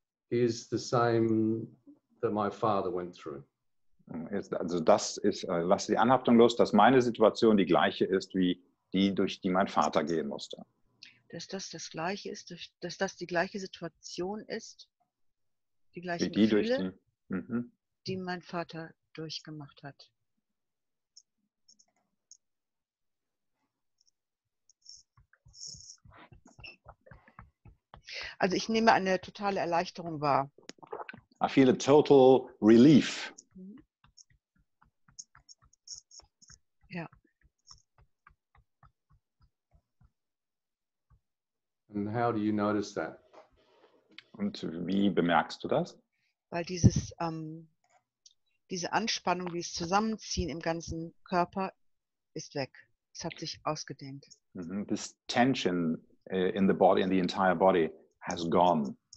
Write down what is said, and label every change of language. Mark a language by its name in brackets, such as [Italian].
[English] Is the same that my father went through. [German] Also das ist, lasse die Anhaftung los, dass meine Situation die gleiche ist, wie die, durch die mein Vater gehen musste. Dass das die gleiche Situation ist, die gleichen Gefühle, die mein Vater durchgemacht hat. Also ich nehme eine totale Erleichterung wahr. [English] I feel a total relief. [German] Ja. [English] And how do you notice that? [German] Und wie bemerkst du das? Weil dieses diese Anspannung, dieses Zusammenziehen im ganzen Körper ist weg. Es hat sich ausgedehnt. [English] This tension in the body, in the entire body, has gone.